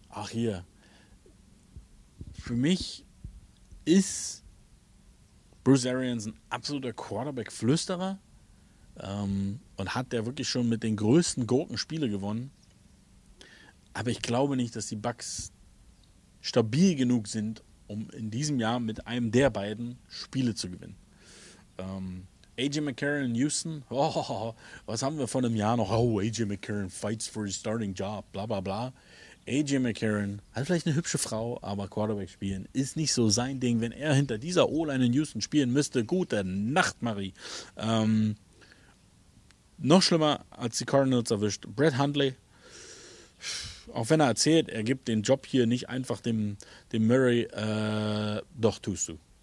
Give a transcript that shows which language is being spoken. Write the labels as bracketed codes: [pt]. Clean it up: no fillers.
[de] Hier. Für mich ist Bruce Arians ein absoluter Quarterback-Flüsterer und hat der wirklich schon mit den größten Gurken Spiele gewonnen. Aber ich glaube nicht, dass die Bucks stabil genug sind, um in diesem Jahr mit einem der beiden Spiele zu gewinnen. AJ McCarron in Houston, oh, was haben wir vor einem Jahr noch? [en] Oh, AJ McCarron fights for his starting job, bla bla bla. [de] AJ McCarron hat vielleicht eine hübsche Frau, aber Quarterback spielen ist nicht so sein Ding. Wenn er hinter dieser O-Line in Houston spielen müsste, gute Nacht, Marie. Noch schlimmer als die Cardinals erwischt, Brett Hundley, auch wenn er erzählt, er gibt den Job hier nicht einfach dem Murray, doch tust du.